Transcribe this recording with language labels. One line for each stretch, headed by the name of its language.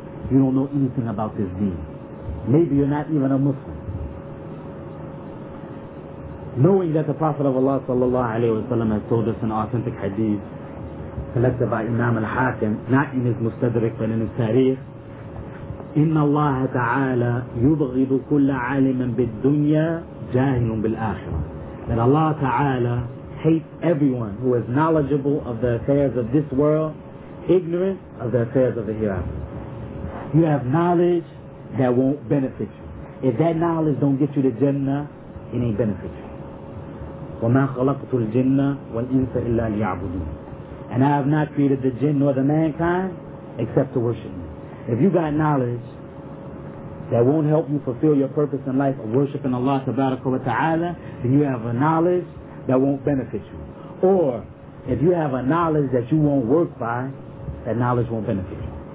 English: You don't know anything about this deen. Maybe you're not even a Muslim. Knowing that the Prophet of Allah sallallahu alayhi wa sallam has told us in authentic hadith collected by Imam al-Hakim, not in his Mustadrik but in his Tariq.
Arabic: إن الله تعالى يبغض كل عالم بالدنيا جاهل بالآخرة.
English: That Allah Ta'ala hates everyone who is knowledgeable of the affairs of this world, ignorant of the affairs of the hereafter. You have knowledge that won't benefit you. If that knowledge don't get you to Jannah, it ain't benefit you.
Arabic: وما خلقت الجنة والإنس إلا ليعبدون.
English: And I have not created the jinn nor the mankind except to worship me. If you got knowledge that won't help you fulfill your purpose in life of worshiping Allah Tabaraka wa Ta'ala, then you have a knowledge that won't benefit you. Or if you have a knowledge that you won't work by, that knowledge won't benefit you.